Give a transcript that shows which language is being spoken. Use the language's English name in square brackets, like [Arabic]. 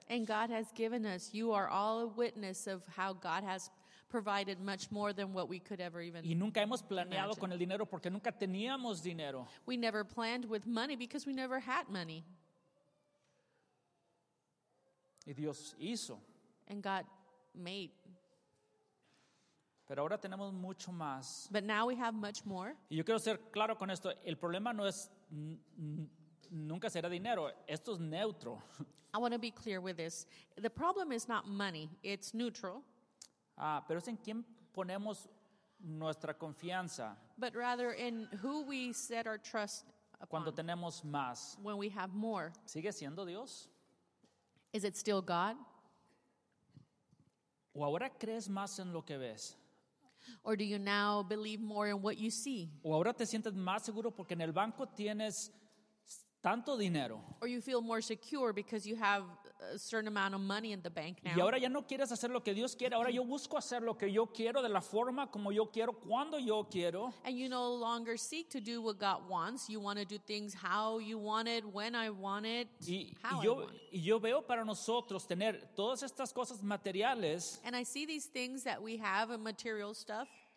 [English] And God has given us, you are all a witness of how God has provided much more than what we could ever even imagine. [Spanish] Y nunca hemos planeado con el dinero porque nunca teníamos dinero. [English] We never planned with money because we never had money. [Spanish] Y Dios hizo. [English] And God made. [Spanish] Pero ahora tenemos mucho más. [English] But now we have much more. [Spanish] Y yo quiero ser claro con esto. El problema no es, nunca será dinero. Esto es neutro. [English] I want to be clear with this. The problem is not money. It's neutral. [Spanish] Pero es en quién ponemos nuestra confianza. [English] But rather in who we set our trust upon. [Spanish] Cuando tenemos más. [English] When we have more. [Spanish] ¿Sigue siendo Dios? [English] Is it still God? [Spanish] ¿O ahora crees más en lo que ves? [English] Or do you now believe more in what you see? [Spanish] ¿O ahora te sientes más seguro porque en el banco tienes tanto dinero? [English] Or you feel more secure because you have a certain amount of money in the bank now. [Spanish] Y ahora ya no quieres hacer lo que Dios quiere. Ahora yo busco hacer lo que yo quiero de la forma como yo quiero, cuando yo quiero. [English] And you no longer seek to do what God wants. You want to do things how you want it, when I want it, [Spanish] Y yo veo para nosotros tener todas estas cosas materiales. [English] And I see these things that we have, material stuff.